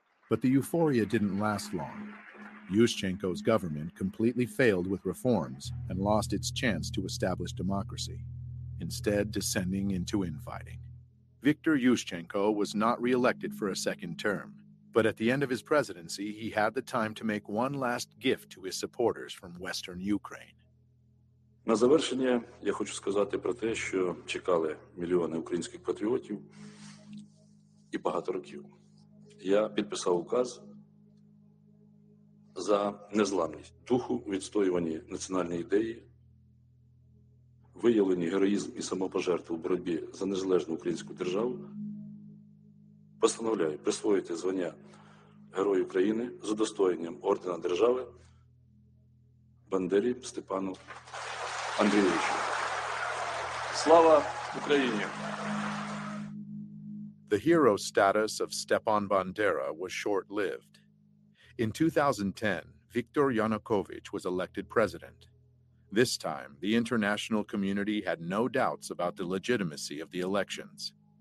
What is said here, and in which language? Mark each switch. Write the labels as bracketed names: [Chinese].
[English] But the euphoria didn't last long. Yushchenko's government completely failed with reforms and lost its chance to establish democracy, instead descending into infighting. Viktor Yushchenko was not re-elected for a second term, But at the end of his presidency, he had the time to make one last gift to his supporters from Western Ukraine. [Ukrainian] На завершення я хочу сказати про те, що чекали мільйони українських патріотів і багато років. Я підписав указ за незламність духу відстоювання національної ідеї, виявлені героїзм і самопожертву в боротьбі за незалежну українську державу. Постановляю присвоїти звання Герой України з удостоєнням Ордена Держави Бандері Степану Андрійовичу. Слава Україні! [English] The hero status of Stepan Bandera was short-lived. In 2010, Viktor Yanukovych was elected president. This time, the international community had no doubts about the legitimacy of the elections.